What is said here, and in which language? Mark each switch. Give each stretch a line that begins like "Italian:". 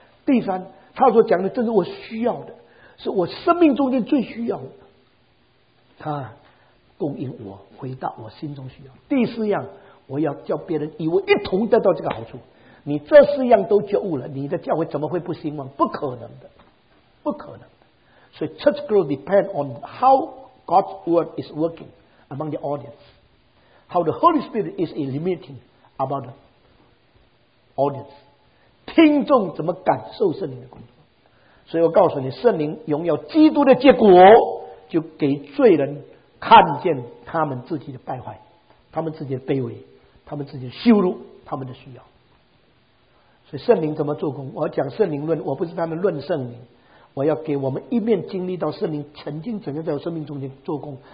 Chinese: 第三，他所讲的正是我需要的，是我生命中间最需要的。他供应我，回答我心中需要。第四样，我要叫别人与我一同得到这个好处。你这四样都觉悟了，你的教会怎么会不兴旺？不可能的，不可能的。
English: 所以 church growth depends on how God's word is working among the audience, how the Holy Spirit is illuminating about the audience,
Chinese: 听众怎么感受圣灵的工作。所以我告诉你，圣灵荣耀基督的结果，就给罪人看见他们自己的败坏，他们自己的卑微，他们自己的羞辱，他们的需要。所以圣灵怎么做工？我讲圣灵论，我不是他们论圣灵，我要给我们一面经历到圣灵曾经怎样在我生命中间做工。